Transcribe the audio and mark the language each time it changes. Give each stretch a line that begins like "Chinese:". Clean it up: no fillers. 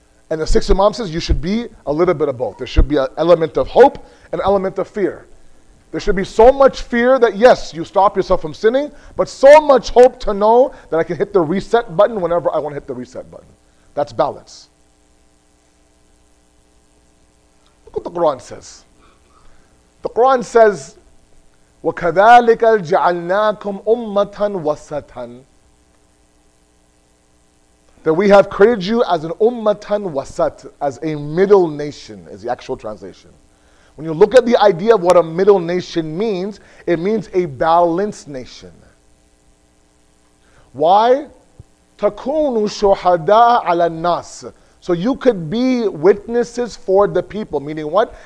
English: And the sixth imam says you should be a little bit of both. There should be an element of hope and an element of fear. There should be so much fear that yes, you stop yourself from sinning, but so much hope to know that I can hit the reset button whenever I want to hit the reset button. That's balance. Look what the Quran says. The Quran says,
Arabic: وَكَذَلِكَ جَعَلْنَاكُمْ أُمَّةً وَسَطًا.
English: That we have created you as an ummatan wasat, as a middle nation, is the actual translation. When you look at the idea of what a middle nation means, it means a balanced nation. Why?
Arabic: Takunu shuhada ala nas.
English: So you could be witnesses for the people. Meaning what?